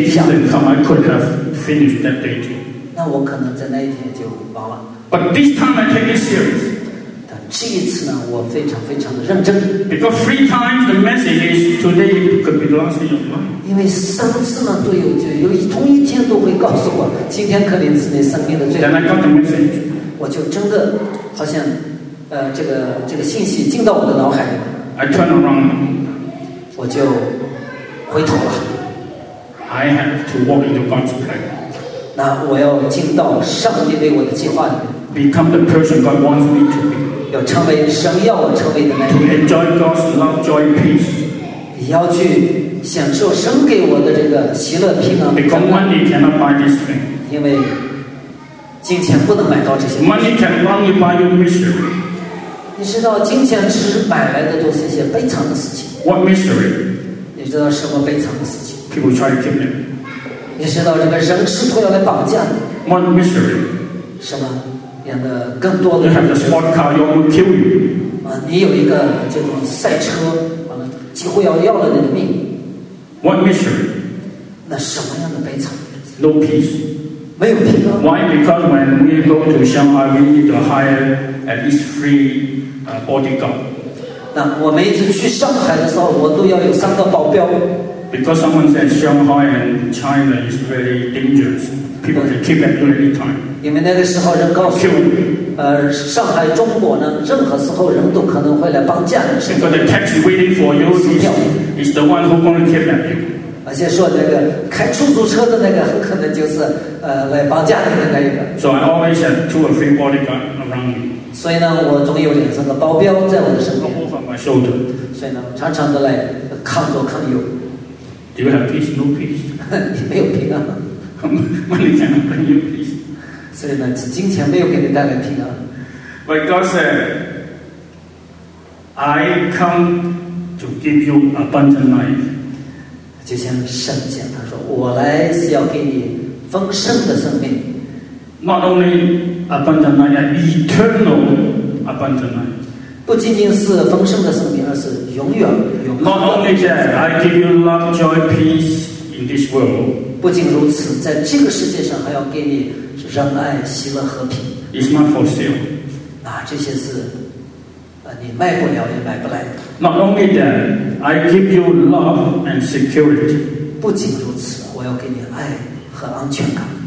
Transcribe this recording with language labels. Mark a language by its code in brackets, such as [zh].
[en] The day didn't come, I could have finished that day too. [zh] 那我可能在那一天就忙了。 [en] But this time I take it serious. [zh] 但这一次呢，我非常非常的认真。 [en] Because three times the message is today could be the last day of your life. [zh] 因为三次呢，都有就有同一天都会告诉我，今天可能是你生命的最后。 [en] Then I got the message. [zh] 我就真的好像这个信息进到我的脑海里了。 [en] I turn around. [zh] 我就回头了。 [en] I have to walk into God's plan. [zh] 那我要进到上帝为我的计划里。 [en] Become the person God wants me to be. [zh] 要成为神要我成为的那。 [en] To enjoy God's love, joy, peace. [zh] 你要去享受神给我的这个喜乐平安。 [en] Because money cannot buy this thing. [zh] 因为金钱不能买到这些。 [en] Money can only buy your misery. [zh] 你知道金钱只是买来的都是一些悲惨的事情。 [en] What misery? [zh] 你知道什么悲惨的事情？ [en] People try to kill me. [zh] 你知道这个人试图要来绑架你。 [en] What misery? [zh] 什么？演的更多的。 [en] You have the sport car, you will kill you. [zh] 啊，你有一个这种赛车，完了几乎要了你的命。 [en] What misery? [zh] 那什么样的悲惨 [en] ？No peace. [zh] 没有平安。 [en] Why? Because when we go to Shanghai, we need to hire at least three bodyguard. [zh] 那我每次去上海的时候，我都要有三个保镖。 [en] Because someone said Shanghai and China is very dangerous. People can kill at any time. [zh] 因为那个时候人告诉我上海中国呢任何时候人都可能会来绑架你。 [en] Because the taxi waiting for you is the one who going to kidnap you. [zh] 而且说那个开出租车的那个很可能就是来绑架你的那一个。 [en] So I always have two or three bodyguards around me. [zh] 所以呢我总有两三个保镖在我的身边。 [en] Over my shoulder. [zh] 所以呢常常的来抗左抗右。 [en] Do you have peace? No peace. [zh] 你没有平安。 [en] Money cannot bring you peace. [zh] 所以呢，金钱没有给你带来平安。 [en] But God said, "I come to give you abundant life." [zh] 就像圣经他说，我来是要给你丰盛的生命。 [en] Not only abundant life, eternal abundant life. [zh] 不仅仅是丰盛的生命，而是永远永恒。 [en] Not only that, I give you love, joy, peace in this world. [zh] 不仅如此，在这个世界上还要给你。仁爱、喜乐、和平 [en] ，is not for sale。 [zh] 啊，这些是你卖不了也买不来的。 [en] Not only that, I give you love and security。 [zh] 不仅如此，我要给你爱和安全感。